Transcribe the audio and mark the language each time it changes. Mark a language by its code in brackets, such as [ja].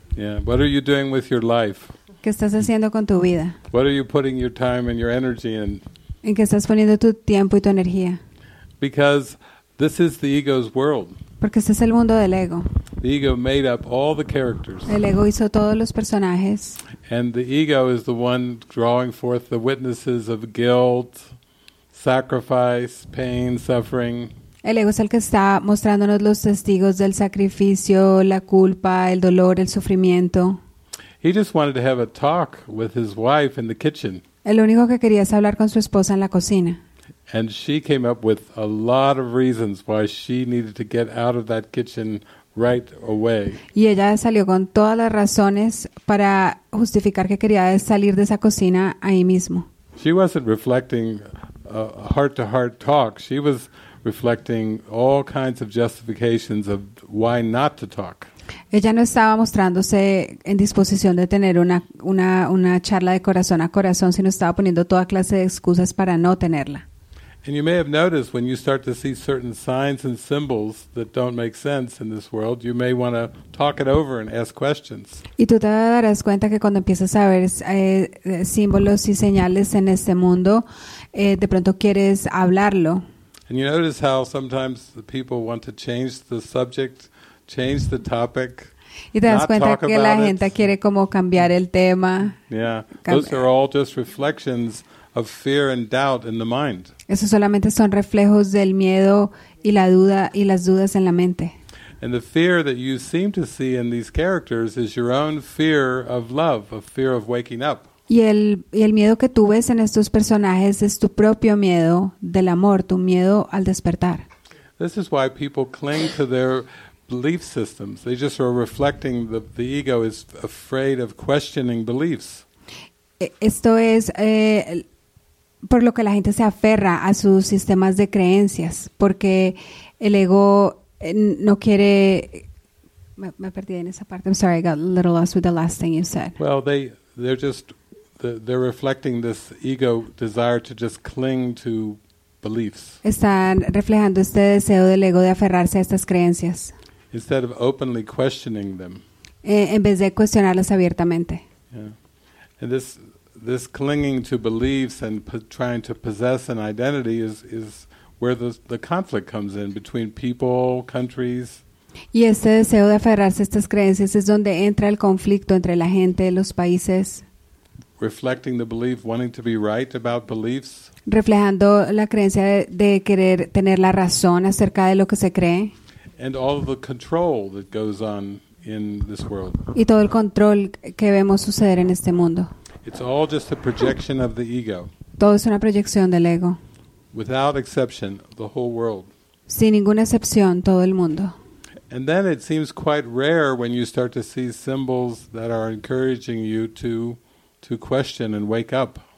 [en] Yeah, what are you doing with your life? [es] ¿Qué estás haciendo con tu vida? [en] What are you putting your time and your energy in? [es] ¿En qué estás poniendo tu tiempo y tu energía? [en] Because this is the ego's world. [es] Porque este es el mundo del ego. [en] The ego made up all the characters. [es] El ego hizo todos los personajes. [en] And the ego is the one drawing forth the witnesses of guilt, sacrifice, pain, suffering. [es] El ego es el que está mostrándonos los testigos del sacrificio, la culpa, el dolor, el sufrimiento. [en] He just wanted to have a talk with his wife in the kitchen. [es] El único que quería es hablar con su esposa en la cocina. [en] And she came up with a lot of reasons why she needed to get out of that kitchen right away. [es] Y ella salió con todas las razones para justificar que quería salir de esa cocina ahí mismo. [en] She wasn't reflecting a heart-to-heart talk. She was reflecting all kinds of justifications of why not to talk. [es] Ella no estaba mostrándose en disposición de tener una charla de corazón a corazón, sino estaba poniendo toda clase de excusas para no tenerla. [en] And you may have noticed when you start to see certain signs and symbols that don't make sense in this world, you may want to talk it over and ask questions. [es] Y tú te darás cuenta que cuando empiezas a ver símbolos y señales en este mundo, de pronto quieres hablarlo. [en] And you notice how sometimes the people want to change the subject, change the topic. [es] Y te das cuenta que la gente quiere como cambiar el tema. [en] Yeah, those are all just reflections of fear and doubt in the mind. [es] Eso solamente son reflejos del miedo y la duda y las dudas en la mente. [en] And the fear that you seem to see in these characters is your own fear of love, a fear of waking up. [es] Y el miedo que tú ves en estos personajes es tu propio miedo del amor, tu miedo al despertar. [en] This is why people cling to their belief systems. They just are reflecting the ego is afraid of questioning beliefs. [es] Esto es por lo que la gente se aferra a sus sistemas de creencias, porque el ego no quiere. Me perdí en esa parte. [en] I'm sorry, I got a little lost with the last thing you said. Well, they're reflecting this ego desire to just cling to beliefs. [es] Están reflejando este deseo del ego de aferrarse a estas creencias. [en] Instead of openly questioning them. [es] En vez de cuestionarlas abiertamente. [en] Yeah. And this clinging to beliefs and trying to possess an identity is where the conflict comes in between people, countries. [es] Y ese deseo de aferrarse a estas creencias es donde entra el conflicto entre la gente, los países. [en] Reflecting the belief, wanting to be right about beliefs. [es] Reflejando la creencia de querer tener la razón acerca de lo que se cree. [en] And all of the control that goes on in this world. [es] Y todo el control que vemos suceder en este mundo. [en] It's all just a projection of the ego. [es] Todo es una proyección del ego. [en] Without exception, the whole world. [es] Sin ninguna excepción, todo el mundo. [en] And then it seems quite rare when you start to see symbols that are encouraging you to question and wake up.